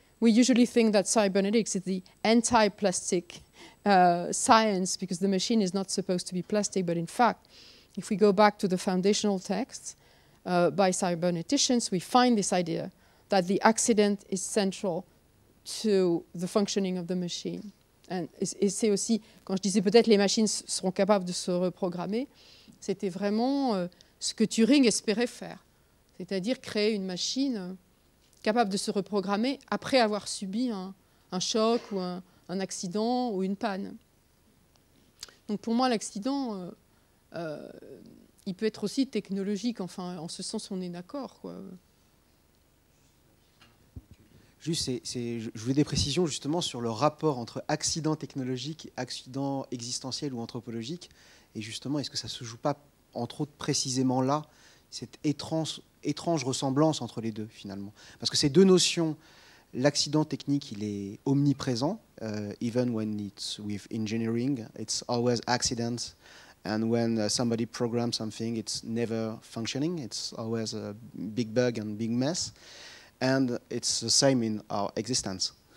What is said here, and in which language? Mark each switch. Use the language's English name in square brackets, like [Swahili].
[English] We usually think that cybernetics is the anti-plastic science because the machine is not supposed to be plastic. But in fact, if we go back to the foundational texts by cyberneticians, we find this idea that the accident is central to the functioning of the machine. [French] Et c'est aussi, quand je disais peut-être les machines seront capables de se reprogrammer, c'était vraiment ce que Turing espérait faire, c'est-à-dire créer une machine capable de se reprogrammer après avoir subi un choc ou un accident ou une panne. Donc pour moi, l'accident, il peut être aussi technologique, enfin, en ce sens, on est d'accord, quoi. Juste, je voulais des précisions justement sur le rapport entre accident technologique, accident existentiel ou anthropologique. Et justement, est-ce que ça ne se joue pas, entre autres, précisément là, cette étrange ressemblance entre les deux, finalement? Parce que ces deux notions, l'accident technique, il est omniprésent. [English] Even when it's with engineering, it's always accident. And when somebody programs something, it's never functioning. It's always a big bug and big mess. And it's the same in our existence.